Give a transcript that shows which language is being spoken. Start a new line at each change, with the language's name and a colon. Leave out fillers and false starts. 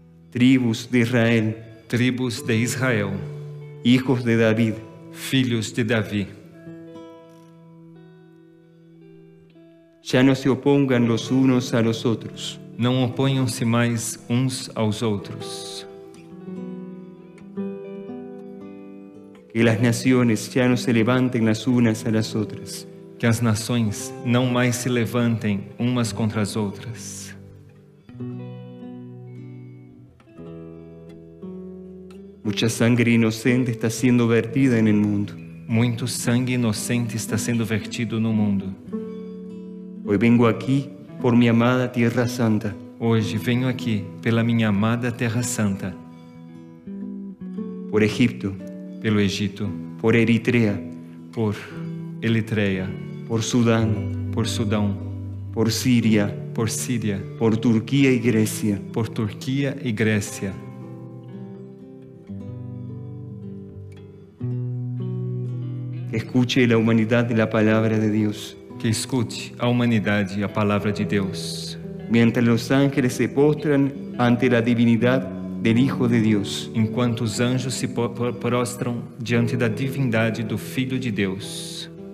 Spanish: Tribus de Israel. Tribus de Israel. Hijos de David.
Portuguese: Filhos de David.
Spanish: Ya no se opongan los unos a los otros.
Portuguese: Não oponham-se mais uns aos outros.
Spanish: Que las naciones ya no se levanten las unas a las otras.
Portuguese: Que as nações não mais se levantem umas contra as outras.
Spanish: Mucha sangre inocente está siendo vertida en el mundo.
Portuguese: Muito sangue inocente está sendo vertido no mundo.
Spanish: Hoy vengo aquí por mi amada Tierra Santa.
Portuguese: Hoje venho aqui pela minha amada Terra Santa.
Spanish: Por Egipto.
Portuguese: Pelo Egito.
Spanish: Por Eritrea.
Portuguese: Por Eritreia. Por Sudão. Por Sudão. Por Síria. Por Síria. Por Turquia e Grécia. Por Turquia e Grécia.
Spanish: Escuche la humanidad la palabra de Dios.
Portuguese: Que escute a humanidade a palavra de Deus.
Spanish: Mientras los ángeles se postran ante la divinidad del Hijo de Dios.
Portuguese: Enquanto os anjos se prostram diante da divindade do Filho de Deus.